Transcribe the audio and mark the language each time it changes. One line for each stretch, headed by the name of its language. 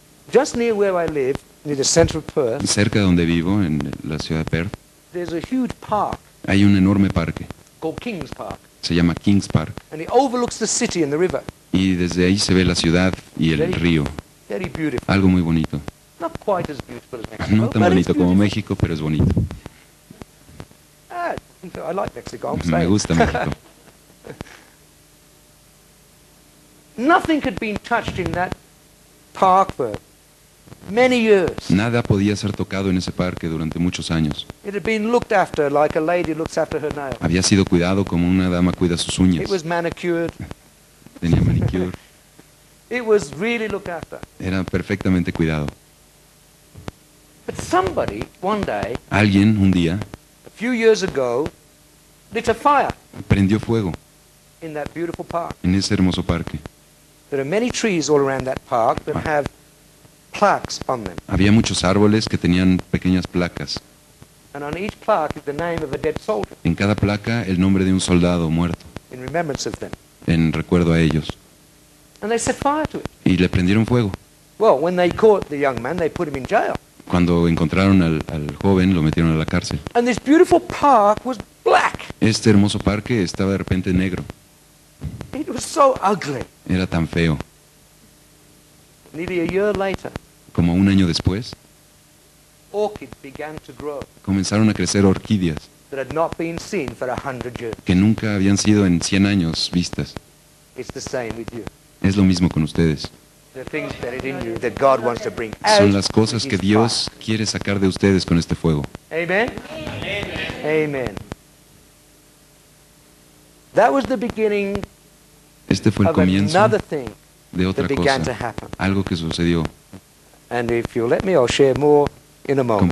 English: Just near where I live, near the center of Perth,
Spanish: cerca de donde vivo, en la ciudad de Perth,
English: there's a huge park.
Spanish: Hay un enorme parque.
English: Called King's Park.
Spanish: Se llama King's Park.
English: And it overlooks the city and the river.
Spanish: Y desde ahí se ve la ciudad y el río.
English: Very beautiful.
Spanish: Algo muy bonito.
English: Not quite as beautiful as Mexico,
Spanish: no tan bonito como México, pero es bonito.
English: I like Mexico, I'm saying.
Spanish: Me gusta México.
English: Nothing could be touched in that park for many years.
Spanish: Nada podía ser tocado en ese parque durante muchos años.
English: It had been looked after like a lady looks after her nails.
Spanish: Había sido cuidado como una dama cuida sus uñas.
English: It was manicured.
Spanish: Tenía manicure.
English: It was really looked after.
Spanish: Era perfectamente cuidado.
English: But somebody one day,
Spanish: alguien un día,
English: a few years ago, lit a fire.
Spanish: Prendió fuego.
English: In that beautiful park.
Spanish: En ese hermoso parque.
English: There are many trees all around that park that have plaques on them.
Spanish: Había muchos árboles que tenían pequeñas placas.
English: And on each plaque is the name of a dead soldier.
Spanish: En cada placa el nombre de un soldado muerto.
English: In remembrance of them.
Spanish: En recuerdo a ellos.
English: And they set fire to it.
Spanish: Y le prendieron fuego.
English: Well, when they caught the young man, they put him in jail.
Spanish: Cuando encontraron al joven, lo metieron a la cárcel.
English: And this beautiful park was black.
Spanish: Este hermoso parque estaba de repente negro.
English: It was so ugly.
Spanish: Era tan feo.
English: Nearly a year later,
Spanish: como un año después,
English: orchids began to grow.
Spanish: Comenzaron a crecer orquídeas
English: that had not been seen for 100 years.
Spanish: Que nunca habían sido en 100 años vistas.
English: It's the same with you.
Spanish: Es lo mismo con ustedes.
English: The things that are in you that God wants to bring.
Spanish: Son las cosas que Dios quiere sacar de ustedes con este fuego.
English: Amen.
Spanish: Amen.
English: Amen. That was the beginning.
Spanish: Este fue el comienzo.
English: Another thing.
Spanish: De otra cosa, algo que sucedió.
English: And if you'll let me, I'll share more in a moment.